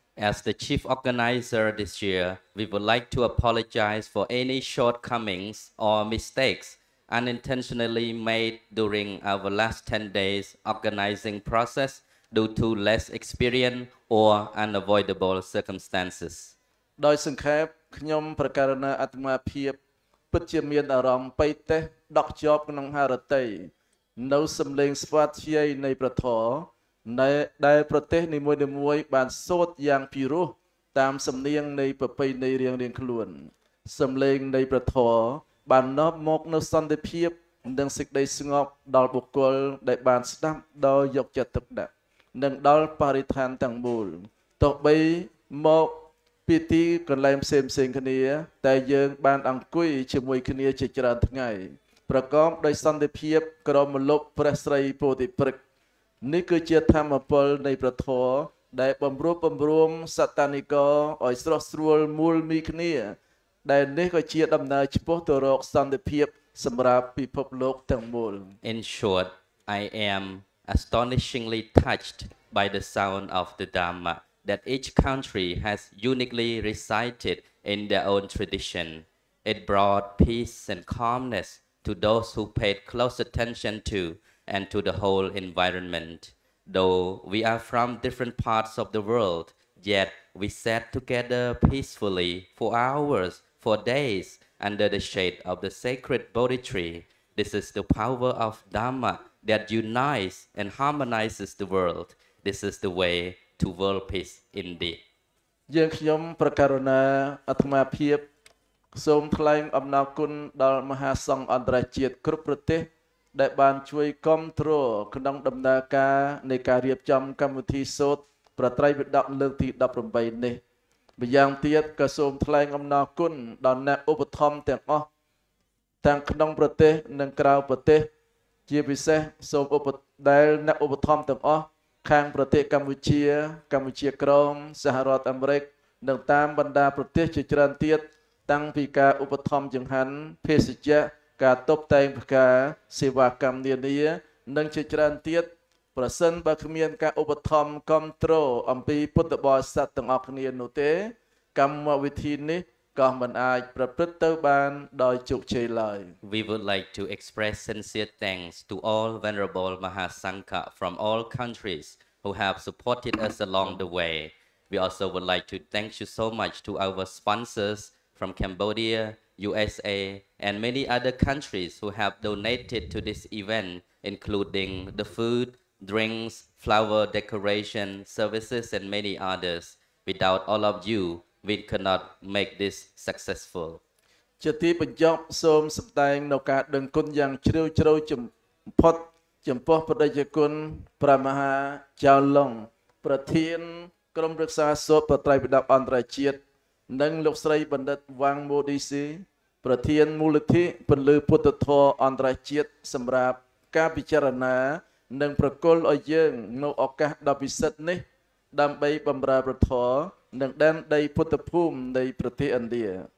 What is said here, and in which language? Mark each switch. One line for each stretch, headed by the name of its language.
English: As the chief organizer this year, we would like to apologize for any shortcomings or mistakes unintentionally made during our last 10 days organizing process due to less experience or unavoidable circumstances.
Khmer: ដោយសង្ខេបខ្ញុំប្រកាសនៅអត្តមភាពពិតជាមានអារម្មណ៍បិទទេសដកជាប់ក្នុងហារតីនៅសំលេងស្វាធ្យាយនៃប្រធរដែលប្រទេសនីមួយៗបានសូត្រយ៉ាងពិរោះតាមសំនៀងនៃប្រពៃណីរៀងៗខ្លួន សំលេងនៃប្រធរបាននាំមកនូវសន្តិភាពនិងសេចក្តីស្ងប់ដល់បុគ្គលដែលបានស្ដាប់ដោយយកចិត្តទុកដាក់និងដល់បរិស្ថានទាំងមូលទោះបីមកពីទីកន្លែងផ្សេងៗគ្នាតែយើងបានអង្គុយជាមួយគ្នាជាច្រើនថ្ងៃប្រកបដោយសន្តិភាពក្រមលោកព្រះស្រីពោធិព្រឹក នេះគឺជាធម្មពលនៃប្រធរដែលបំរួមបំរួមសតានិកោឲ្យស្រស់ស្រួលមូលមីគ្នាដែលនេះក៏ជាដំណើរឆ្ពោះទៅរកសន្តិភាពសម្រាប់ពិភពលោកទាំងមូល
English: In short, I am astonishingly touched by the sound of the Dhamma that each country has uniquely recited in their own tradition. It brought peace and calmness to those who paid close attention to and to the whole environment. Though we are from different parts of the world, yet we sat together peacefully for hours, for days, under the shade of the sacred Bodhi tree. This is the power of Dhamma that unites and harmonizes the world. This is the way to world peace indeed.
Khmer: យើងខ្ញុំប្រកាសរណាអធិមាភិបសូមថ្លែងអំណរគុណដល់មហាសង្ឃអន្តរជាតិគ្រប់ប្រទេសដែលបានជួយគាំទ្រក្នុងដំណើរការនៃការរៀបចំកម្មវិធីសូត្រប្រត្រៃវិដកលើកទី18នេះម្យ៉ាងទៀតក៏សូមថ្លែងអំណរគុណដល់អ្នកឧបត្ថម្ភទាំងអស់ ទាំងក្នុងប្រទេសនិងក្រៅប្រទេសជាពិសេសសូមអ្នកឧបត្ថម្ភទាំងអស់ខាងប្រទេសកម្ពុជាកម្ពុជាក្រមសហរដ្ឋអាមេរិកនិងតាមបណ្ដាប្រទេសជាច្រើនទៀតតាំងពីការឧបត្ថម្ភចង្ហាន់ភេសជ្ជៈការតុបតែងផ្កាសេវាកម្មនានា និងជាច្រើនទៀតប្រសិនបើគ្មានការឧបត្ថម្ភគាំទ្រអំពីពុទ្ធបរិស័ទទាំងអស់គ្នានោះទេកម្មវិធីនេះក៏មិនអាចប្រព្រឹត្តទៅបានដោយជោគជ័យឡើយ
English: We would like to express sincere thanks to all venerable Mahasangha from all countries who have supported us along the way. We also would like to thank you so much to our sponsorsfrom Cambodia, USA, and many other countries who have donated to this event, including the food, drinks, flower decoration, services, and many others. Without all of you, we cannot make this successful.
Khmer: ជាទីបញ្ចប់សូមសម្ដែងនូវការដឹងគុណយ៉ាងជ្រាលជ្រៅចំពោះព្រះតេជគុណព្រះមហាចៅឡុងប្រធានក្រុមប្រឹក្សាសូត្រប្រត្រៃប្រដាប់អន្តរជាតិនិងលោកស្រីបណ្ឌិតវ៉ាងម៉ូឌីស៊ីប្រធានមូលនិធិពលឺពុទ្ធធម៌អន្តរជាតិសម្រាប់ការពិចារណានិងប្រគល់ឲ្យយើងនូវឱកាសដ៏ពិសិដ្ឋនេះដើម្បីបម្រើប្រធរនិងដែនដីពុទ្ធភូមិនៃប្រទេសឥណ្ឌា